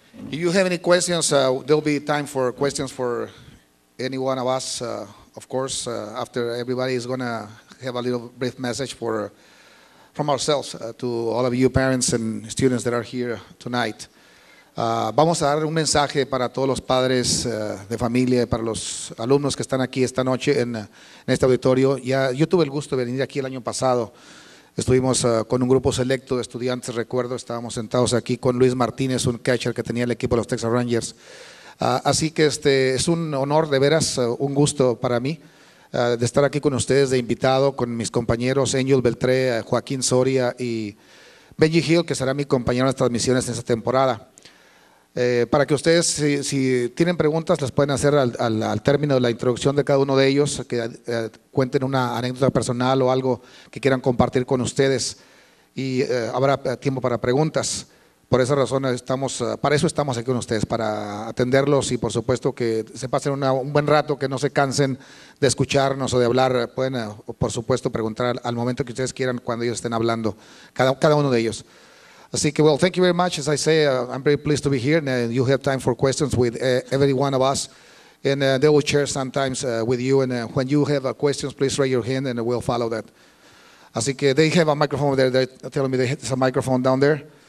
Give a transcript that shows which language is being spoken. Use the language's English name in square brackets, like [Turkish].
[English] If you have any questions, there'll be time for questions for any one of us, of course, after everybody is going to have a little brief message from ourselves to all of you parents and students that are here tonight. [Spanish] Vamos a dar un mensaje para todos los padres de familia, para los alumnos que están aquí esta noche en este auditorio. Ya, yo tuve el gusto de venir aquí el año pasado. Estuvimos con un grupo selecto de estudiantes, recuerdo, estábamos sentados aquí con Luis Martínez, un catcher que tenía el equipo de los Texas Rangers. Así que este es un honor, de veras, un gusto para mí, de estar aquí con ustedes, de invitado, con mis compañeros Angel Beltré, Joaquín Soria y Benji Hill, que será mi compañero en las transmisiones en esta temporada. Para que ustedes, si tienen preguntas, las pueden hacer al término de la introducción de cada uno de ellos, que cuenten una anécdota personal o algo que quieran compartir con ustedes, y habrá tiempo para preguntas. Por esa razón, para eso estamos aquí con ustedes, para atenderlos, y por supuesto que se pasen un buen rato, que no se cansen de escucharnos o de hablar. Pueden, por supuesto, preguntar al momento que ustedes quieran, cuando ellos estén hablando, cada uno de ellos. Así que, [English] well, thank you very much. As I say, I'm very pleased to be here, and you have time for questions with every one of us, and they will share sometimes with you, and when you have questions, please raise your hand, and we'll follow that. [Spanish] Así que, [English] they have a microphone over there. They're telling me there's a microphone down there.